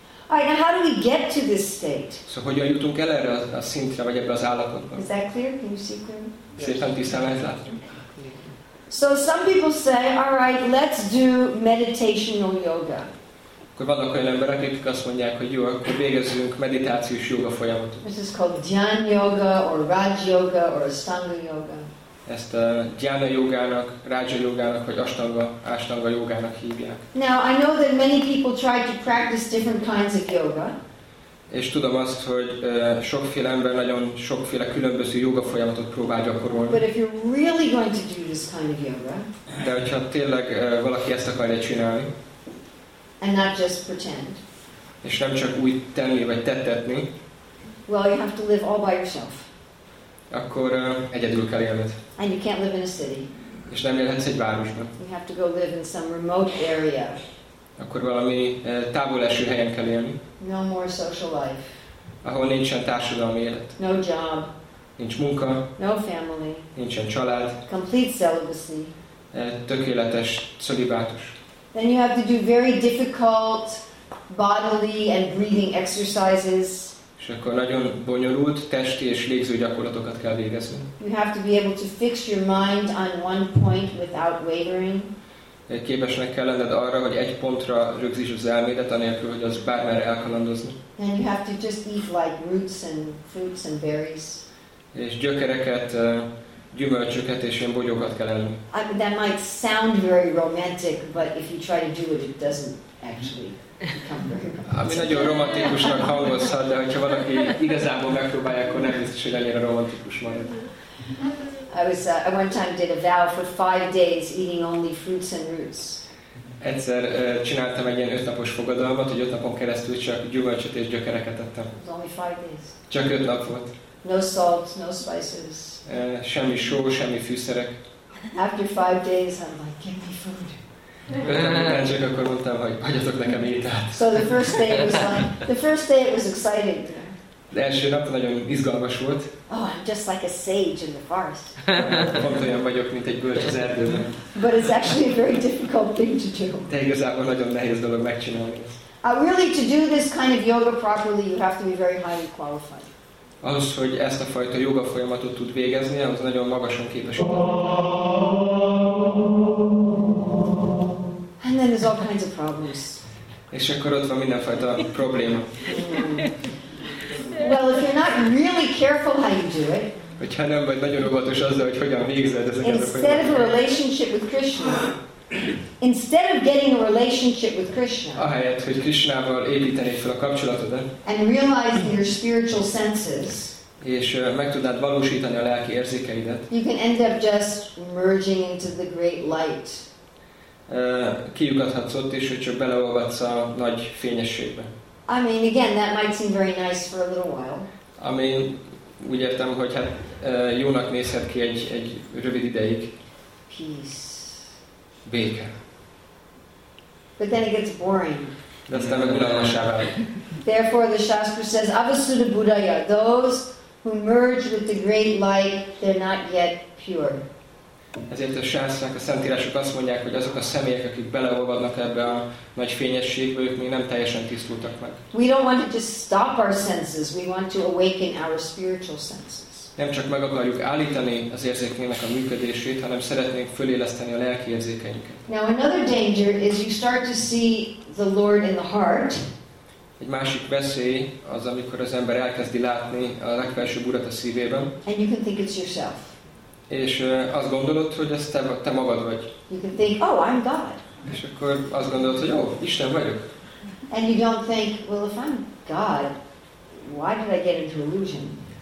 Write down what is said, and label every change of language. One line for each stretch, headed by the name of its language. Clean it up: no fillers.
English: All right, now how do we get to this state?
Hungarian: So hogyan jutunk el erre a szintre, vagy ebbe az állapotba?
English: Is that clear? Can you see clearly?
Hungarian: Szépen tisztán ez látom.
English: So some people say, all right, let's do meditational yoga.
Hungarian: Akkor vannak olyan emberek, akik azt mondják, hogy jó, akkor végezzünk meditációs joga folyamatot.
English: This is called Dhyan Yoga, or Raj Yoga, or Ashtanga Yoga.
Hungarian: Ezt a Dhyana jogának, Raja jogának, vagy Ashtanga jogának hívják.
English: Now, I know that many people try to practice different kinds of yoga.
Hungarian: És tudom azt, hogy sokféle ember nagyon sokféle különböző joga folyamatot próbál gyakorolni.
English: But if you're really going to do this kind of yoga,
Hungarian: de hogyha tényleg valaki ezt akarja csinálni,
English: and not just pretend,
Hungarian: és nem csak úgy tenni, vagy tettetni,
English: well, you have to live all by yourself.
Hungarian: Akkor egyedül kell élned.
English: And you can't live in a city.
Hungarian: És nem élhetsz egy városban.
English: You have to go live in some remote area.
Hungarian: Akkor valami távol eső helyen kell élni.
English: No more social life.
Hungarian: Ahol nincsen társadalmi élet.
English: No job.
Hungarian: Nincs munka.
English: No family.
Hungarian: Nincsen család.
English: Complete celibacy.
Hungarian: Tökéletes celibátus.
English: Then you have to do very difficult bodily and breathing exercises.
Hungarian: És akkor nagyon bonyolult testi és légző gyakorlatokat kell végezni.
English: You have to be able to fix your mind on one point without wavering.
Hungarian: Képesnek kell lenned arra, hogy egy pontra rögzítsd az elmédet, anélkül, hogy az bármerre elkalandozni.
English: And you have to just eat like roots and fruits and berries.
Hungarian: És gyökereket, gyümölcsöket és ilyen bogyókat kell enni.
English: I mean, that might sound very romantic, but if you try to do it, it doesn't actually become very romantic.
Hungarian: Ami nagyon romantikusnak hangozhat, de hogyha valaki igazából megpróbálja, akkor nem biztos, hogy annyira romantikus marad.
English: I one time did a vow for 5 days eating only fruits and roots.
Hungarian: Egyszer csináltam egy ilyen 5 napos fogadalmat, hogy 5 napon keresztül csak gyümölcsöt és gyökereket ettem.
English: It's only 5 days.
Hungarian: Csak 5 nap volt.
English: No salt, no spices.
Hungarian: Semmi só, semmi fűszerek.
English: After 5 days, I'm like, give me food.
Hungarian: Én csak akkor mondtam, hogy adjatok nekem ételt.
English: So the first day it was exciting.
Hungarian: De első nap nagyon izgalmas volt.
English: Oh, I'm just like a sage in the forest.
Hungarian: Pont olyan vagyok, mint egy bölcs az erdőben.
English: But it's actually a very difficult thing to do.
Hungarian: De igazából nagyon nehéz dolog megcsinálni.
English: Really, to do this kind of yoga properly, you have to be very highly qualified.
Hungarian: Ahhoz, hogy ezt a fajta joga folyamatot tud végezni, az nagyon magasan képes.
English: And then there's all kinds of problems.
Hungarian: És akkor ott van mindenfajta probléma.
English: Well, if you're not really careful how you do it,
Hungarian: hogyha nem vagy nagyon óvatos azzal, hogy hogyan végzed ezeket a folyamatokat.
English: Instead of a relationship with Krishna, instead of getting a relationship with Krishna,
Hungarian: ahelyett, hogy Krishnával építenéd fel a kapcsolatodat,
English: and realizing your spiritual senses,
Hungarian: és meg tudnád valósítani a lelki érzékeidet,
English: you can end up just merging into the great light.
Hungarian: Kiugathatsz ott is, hogy csak beleolvadsz a nagy fényességbe.
English: I mean, again, that might seem very nice for a little while. I mean,
Hungarian: úgy értem, hogy hát jónak nézhet ki egy rövid ideig.
English: Peace.
Hungarian: Béke.
English: But then it gets boring.
Hungarian: De aztán meg unalmassá válik.
English: Therefore, the Shastra says, Avasuddha Buddhaya, those who merge with the great light, they're not yet pure.
Hungarian: Ezért a sászlák, a szentírások azt mondják, hogy azok a személyek, akik beleolvadnak ebbe a nagy fényességbe, ők még nem teljesen tisztultak meg.
English: We don't want to just stop our senses, we want to awaken our spiritual senses.
Hungarian: Nem csak meg akarjuk állítani az érzékeinknek a működését, hanem szeretnénk föléleszteni a lelki érzékeinket.
English: Now another danger is you start to see the Lord in the heart.
Hungarian: Egy másik veszély az, amikor az ember elkezdi látni a legfelsőbb urat a szívében.
English: And you can think it's yourself.
Hungarian: És azt gondolod, hogy ez te magad vagy.
English: You can think, oh, I'm God.
Hungarian: És akkor azt gondolod, hogy Isten vagyok.
English: And you don't think, well, if I'm God, why did I get into illusion?